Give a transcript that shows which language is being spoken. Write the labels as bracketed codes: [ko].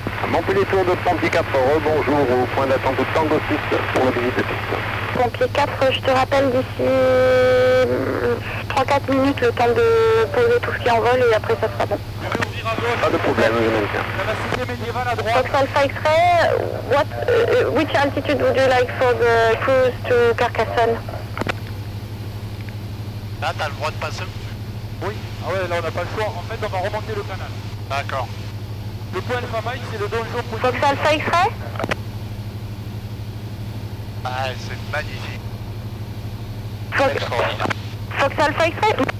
[fr] Montpellier Tour de Pompier 4, rebonjour au point d'attente de Tango 6 pour la visite de piste. Pompier 4, je te rappelle d'ici 3-4 minutes le temps de poser tout ce qui est en vol et après ça sera bon. Pas de problème, je m'en tiens. [en] Fox Alpha X-ray, which altitude would you like for the cruise to Carcassonne? [fr] Là, t'as le droit de passer. Oui, ah ouais, là on n'a pas le choix. En fait, on va remonter le canal. D'accord. Le point Alpha Mike, c'est le donjon pour... [en] Fox Alpha X-ray? [fr] Ah, c'est magnifique. [en] Fox Alpha X-ray?